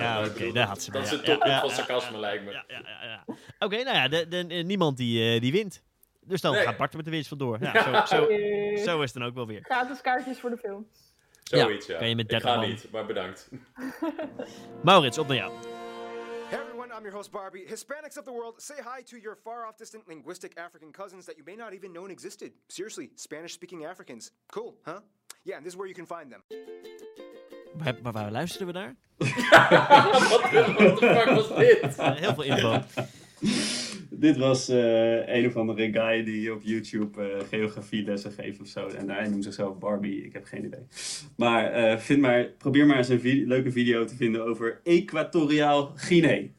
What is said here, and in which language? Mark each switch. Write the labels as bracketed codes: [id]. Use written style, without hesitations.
[nl] Ja, oké, okay, daar had ze dat mee. Dat is het toppunt van sarcasme, lijkt me. Ja. Oké, nou ja, niemand die wint. Dus dan gaat Bart met de winst vandoor. Ja, zo is het dan ook wel weer. Gratis kaartjes voor de film. Zoiets, ja. Kan je met 30 man. Ik ga niet, maar bedankt. Maurits, op naar jou. [en] I'm your host Barbie. Hispanics of the world, say hi to your far-off distant linguistic African cousins that you may not even know existed. Seriously, Spanish-speaking Africans. Cool, huh? Yeah, and this is where you can find them. [nl] Maar waar luisteren we naar? [en] What the fuck was [nl] dit? Heel veel info. Dit was een of andere guy die op YouTube geografie lessen geeft of zo. En hij noemt zichzelf Barbie, ik heb geen idee. Maar, probeer maar eens een leuke video te vinden over Equatoriaal Guinea.